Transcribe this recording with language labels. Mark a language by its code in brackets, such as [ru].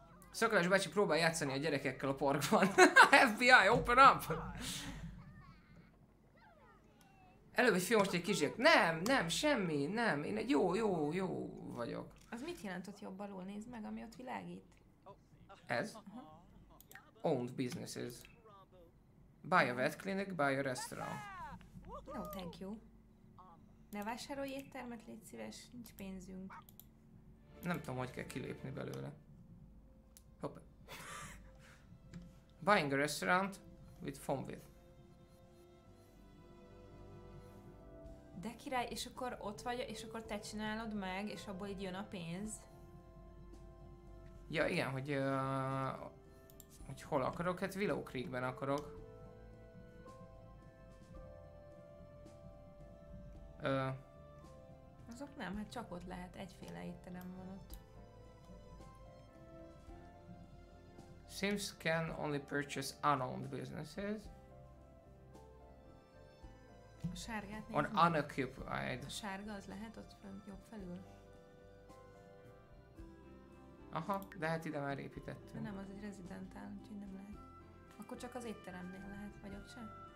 [hu] Szakadás bácsi, próbál játszani a gyerekekkel a parkban. [en] FBI, open up! [hu] Előbb egy fiú, most egy kisgyerek. Nem, semmi, nem. Én egy jó vagyok. Az mit jelent ott jobb alul? Nézd meg, ami ott világít. [en] Ez? Uh-huh. Owned businesses. Buy a vet clinic, buy a restaurant. No, thank you. [hu] Ne vásárolj éttermet, légy szíves, nincs pénzünk. Nem tudom, hogy kell kilépni belőle. Hopp. [en] Buying a restaurant with foam with. [hu] De király, és akkor ott vagy, és akkor te csinálod meg, és abból így jön a pénz. Ja, igen, hogy... hogy hol akarok? Hát Willow Creekben akarok. Azok nem, hát csak ott lehet, egyféle étterem van ott. [en] Sims can only purchase unowned businesses. [hu] A sárgát nézni. [en] On unoccupied. [hu] A sárga az lehet ott fönn, jobb felül. Aha, de hát ide már építettünk. De nem, az egy rezidentál, úgyhogy nem lehet. Akkor csak az étteremnél lehet, vagy ott sem?